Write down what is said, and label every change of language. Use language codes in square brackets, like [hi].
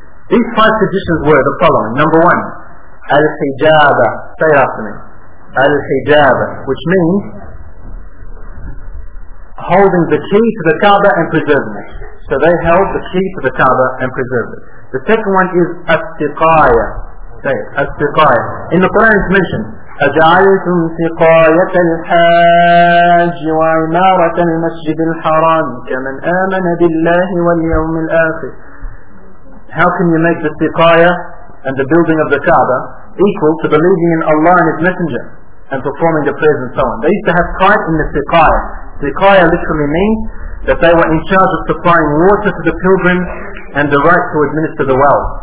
[en] These five traditions were the following. Number one, Al-Hijaba, say it after me. Al-Hijaba, which means holding the key to the Kaaba and preserving it. So they held the key to the Kaaba and preserved it. The second one is As-Siqaya. Say it, As-Siqaya. In the Quran it's mentioned, [ar] أَجَعَلْتُمْ سِقَايَةَ الْحَاجِ وَعِمَارَةَ الْمَسْجِدِ الْحَرَامِ كَمَنْ آمَنَ بِاللَّهِ وَالْيَوْمِ الْآخِرِ. [en] How can you make the siqaya and the building of the Kaaba equal to believing in Allah and His Messenger and performing the prayers and so on? They used to have pride in the siqaya. Siqaya literally means that they were in charge of supplying water to the pilgrims and the right to administer the well.